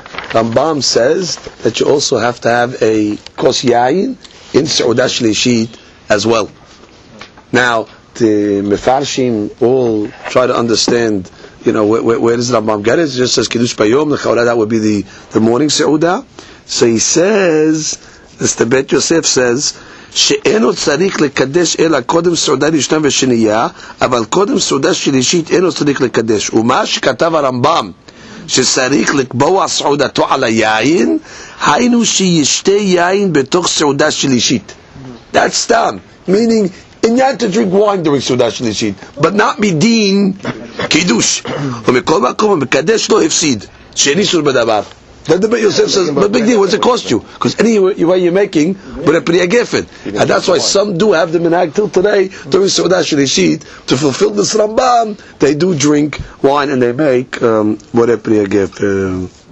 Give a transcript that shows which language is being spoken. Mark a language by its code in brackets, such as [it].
[en] Rambam says that you also have to have a kos yayin in Seudah Shlishit as well. Now, the Mefarshim all try to understand, you know, where does Rambam get it? It just says Kiddush Bayom, the Chaurah, that would be the morning Seudah. So he says, as the Beit Yosef says, [he] שאינו צריך לקדש אלא קודם סעודה ראשונה ושנייה, אבל קודם סעודה שלישית אינו צריך לקדש. ומה שכתב הרמב״ם, שצריך לקבוע סעודתו על היין, היינו שישתה יין בתוך סעודה שלישית. [en] That's done. Meaning, in you have to drink wine during סעודה שלישית, but not מדין [he] קידוש. ומכל מקום המקדש לא הפסיד. שאין איסור בדבר. [en] That the Beit Yosef says, but big deal, what's it cost you? Because any way you're making, but a Priya Gefen. And that's why some do have the minhag till today, during Seudah Shlishit, to fulfill this Rambam, they do drink wine and they make what a Priya Gefen.